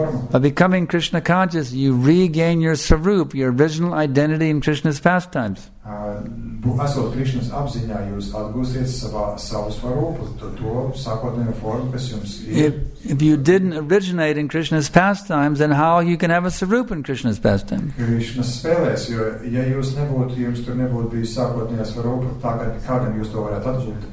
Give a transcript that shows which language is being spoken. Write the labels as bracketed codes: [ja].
[en] By becoming Krishna conscious, you regain your svarup, your original identity in Krishna's pastimes. [lv] esot Krišnas apziņā, jūs atgūsiet savu svarūpu, to sākotnējo formu, kas jums ir. [en] If you didn't originate in Krishna's pastimes, then how you can have a svarūpa in Krishna's pastimes? [lv] Krišnas spēlēs, jo ja jūs nebūtu, jums tur nebūtu bijis sākotnējā svarūpa, tagad kādam jūs to varētu atzūt?